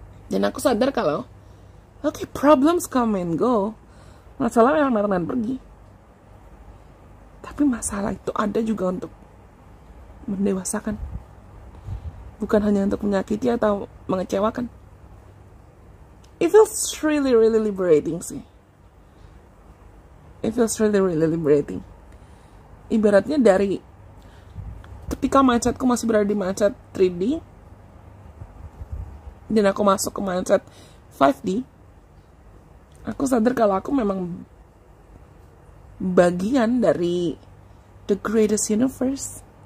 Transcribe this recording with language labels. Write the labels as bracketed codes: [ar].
[id] Dan aku sadar kalau [en] okay, problems come and go, [id] masalah memang datang dan pergi, tapi masalah itu ada juga untuk mendewasakan, bukan hanya untuk menyakiti atau mengecewakan. [en] It feels really really liberating sih. It feels really, really liberating. [id] Ibaratnya dari ketika mindsetku masih berada di mindset 3D dan aku masuk ke mindset 5D, aku sadar kalau aku memang bagian dari [en] the greatest universe.